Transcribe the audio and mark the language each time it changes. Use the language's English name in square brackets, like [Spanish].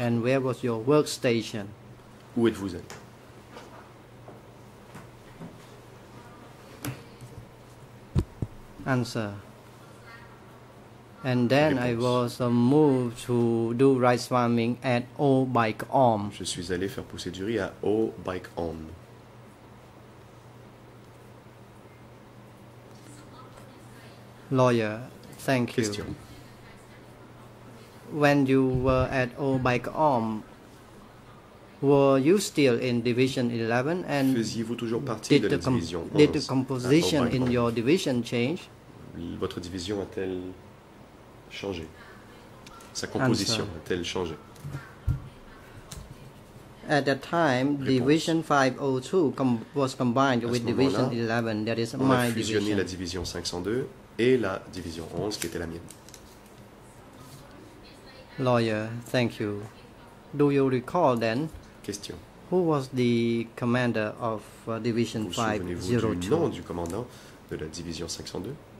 [English] and where was your workstation? [French] Où êtes-vous allé? [English] Answer. And then I was moved to do rice farming at O Bike Om. [French] Je suis allé faire pousser du riz à O Bike Om. [English] Lawyer, thank you. Question. When you were at O Bike Om, were you still in Division 11 and [French] faisiez-vous toujours partie de la division? [English] Did the composition in your division change? [French] Votre division a-t-elle changé? Sa composition a-t-elle changé? [English] At that time, Division 502 was combined with Division 11, that is my division. [French] On a fusionné la Division 502 et la Division 11, qui était la mienne. [English] Lawyer, thank you. Do you recall then? Question. Who was the commander of Division 502? [French] Vous souvenez-vous du nom du commandant de la Division 502?